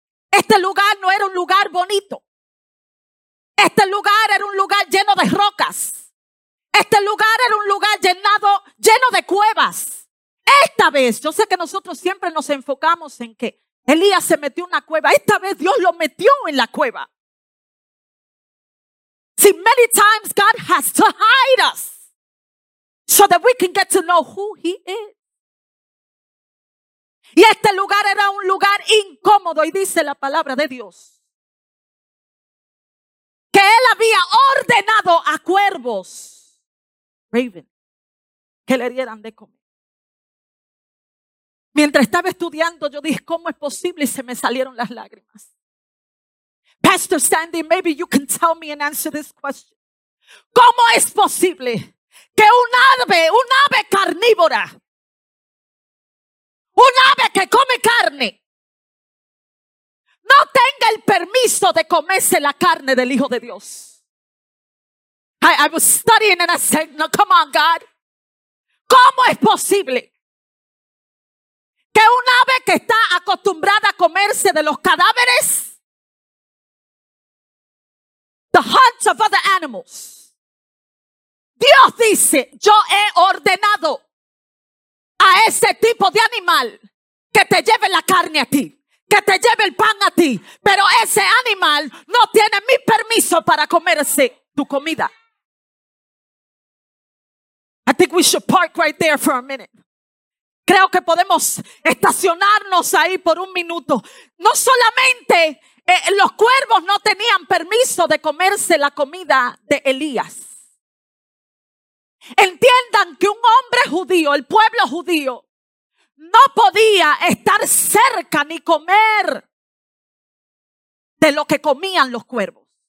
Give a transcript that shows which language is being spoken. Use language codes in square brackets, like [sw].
[es] Este lugar no era un lugar bonito. Este lugar era un lugar lleno de rocas. Este lugar era un lugar lleno de cuevas. Esta vez, yo sé que nosotros siempre nos enfocamos en que Elías se metió en una cueva. Esta vez Dios lo metió en la cueva. [en] See, many times God has to hide us so that we can get to know who he is. [es] Y este lugar era un lugar incómodo, y dice la palabra de Dios que él había ordenado a cuervos, raven, que le dieran de comer. Mientras estaba estudiando, yo dije, ¿cómo es posible? Y se me salieron las lágrimas. [en] Pastor Sandy, maybe you can tell me and answer this question. [es] ¿Cómo es posible que un ave carnívora, un ave que come carne, no tenga el permiso de comerse la carne del Hijo de Dios? [en] I was studying and I said, no, come on, God. [es] ¿Cómo es posible que un ave que está acostumbrada a comerse de los cadáveres, [en] the hunts of other animals, [es] Dios dice, yo he ordenado a ese tipo de animal que te lleve la carne a ti, que te lleve el pan a ti, pero ese animal no tiene mi permiso para comerse tu comida? [en] I think we should park right there for a minute. [es] Creo que podemos estacionarnos ahí por un minuto. No solamente los cuervos no tenían permiso de comerse la comida de Elías. Entiendan que un hombre judío, el pueblo judío, no podía estar cerca ni comer de lo que comían los cuervos.